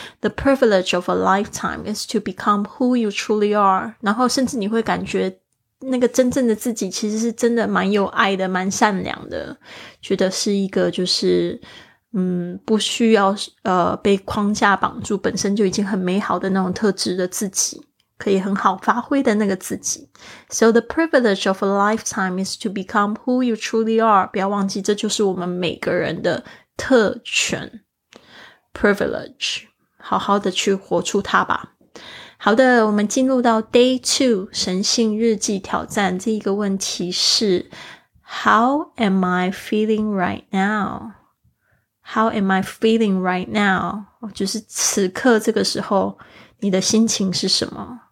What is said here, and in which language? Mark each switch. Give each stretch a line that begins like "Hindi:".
English: The privilege of a lifetime is to become who you truly are，
Chinese: 然后甚至你会感觉那个真正的自己其实是真的蛮有爱的，蛮善良的，觉得是一个就是不需要被框架绑住，本身就已经很美好的那种特质的自己，可以很好发挥的那个自己。
English: So the privilege of a lifetime is to become who you truly are，
Chinese: 不要忘记这就是我们每个人的特权 privilege， 好好的去活出它吧。好的，我们进入到 day 2神性日记挑战，这一个问题是
English: How am I feeling right now？ How am I feeling right now？
Chinese: 就是此刻这个时候你的心情是什么。